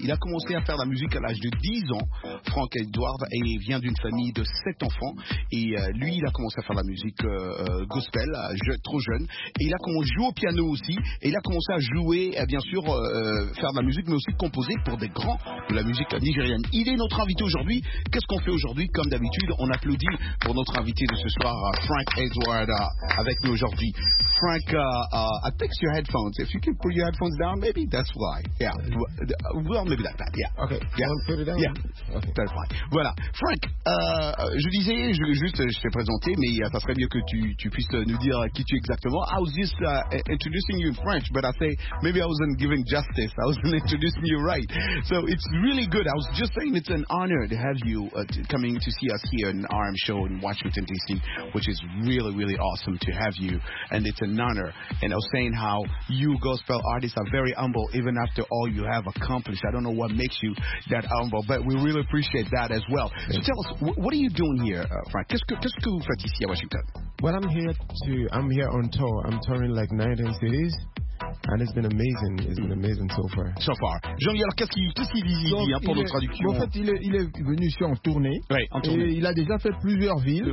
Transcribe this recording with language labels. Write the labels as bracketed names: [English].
[French] Il a commencé à faire la musique à l'âge de 10 ans, Frank Edward, et il vient d'une famille de 7 enfants, et lui, il a commencé à faire la musique gospel, trop jeune, et il a commencé à jouer au piano aussi. Et il a commencé à jouer, bien sûr, faire de la musique, mais aussi composer pour des grands de la musique nigérienne. Il est notre invité aujourd'hui. Qu'est-ce qu'on fait aujourd'hui? Comme d'habitude, on applaudit pour notre invité de ce soir, Frank Edward, avec nous aujourd'hui. [English] Frank, I fix your headphones. If you can put your headphones down, maybe that's why. Yeah. Well, maybe like that. Yeah. Okay. Yeah. Put it down. Yeah. Okay. That's fine. Voilà. [French] Frank, je disais, je voulais juste, je t'ai présenté, mais ça serait mieux que tu puisses nous dire qui tu es exactement. [English] I was just introducing you in French, but I say, maybe I wasn't giving justice. I wasn't introducing you right. So it's really good. I was just saying it's an honor to have you coming to see us here in RM Show in Washington, D.C., which is really, really awesome to have you. And it's an honor, and I was saying how you gospel artists are very humble even after all you have accomplished. I don't know what makes you that humble, but we really appreciate that as well. So tell us, what are you doing here, Frank? [French] Qu'est-ce que vous faites ici à Washington? [English] Well, I'm here on tour. I'm touring like 19 cities. And it's been amazing. It's been amazing so far. So far. [French] Jean-Yves, alors qu'est-ce qu'il dit, donc, hein, pour notre traduction? En fait, il est venu ici en tournée. Oui, en tournée. Et il a déjà fait plusieurs villes.